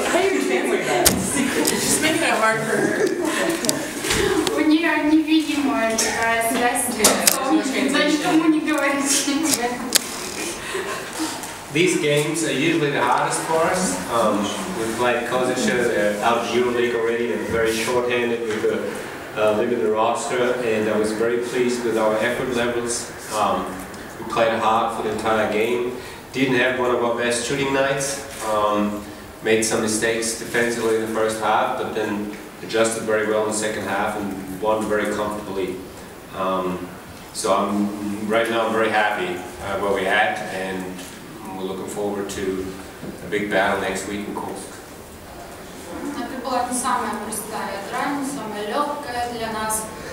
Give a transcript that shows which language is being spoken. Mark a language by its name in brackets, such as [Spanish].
[English] She's making it hard for her. [Russian] У нее невидимая такая связь, но никому не говорит. [English] These games are usually the hardest for us. We've played Košice out of Euroleague already and very short-handed with a limited roster, and I was very pleased with our effort levels. We played hard for the entire game. Didn't have one of our best shooting nights. Made some mistakes defensively in the first half, but then adjusted very well in the second half and won very comfortably. So I'm right now very happy where we're at, and we're looking forward to a big battle next week in Kursk. [Russian] Это была не самая простая игра, не самая легкая для нас.